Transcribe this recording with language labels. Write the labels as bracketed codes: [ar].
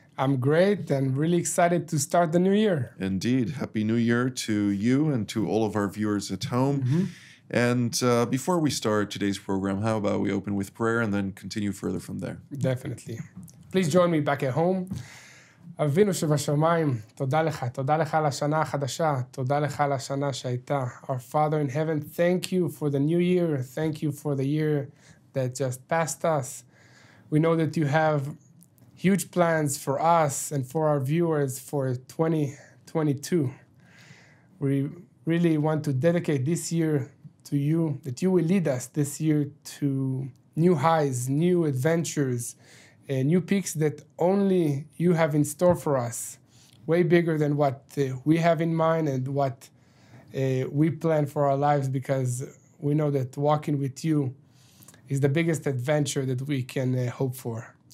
[en] I'm great and really excited to start the new year. Indeed. Happy New Year to you and to all of our viewers at home. And before we start today's program, how about we open with prayer and then continue further from there? Definitely. Please join me back at home. [he] אבינו שבשמיים, תודה לך, תודה לך על השנה החדשה, תודה לך על השנה שהייתה. [en] Our Father in Heaven, thank you for the new year, thank you for the year that just passed us. We know that you have huge plans for us and for our viewers for 2022. We really want to dedicate this year to you, that you will lead us this year to new highs, new adventures, new peaks that only you have in store for us, way bigger than what we have in mind and what we plan for our lives, because we know that walking with you is the biggest adventure that we can hope for.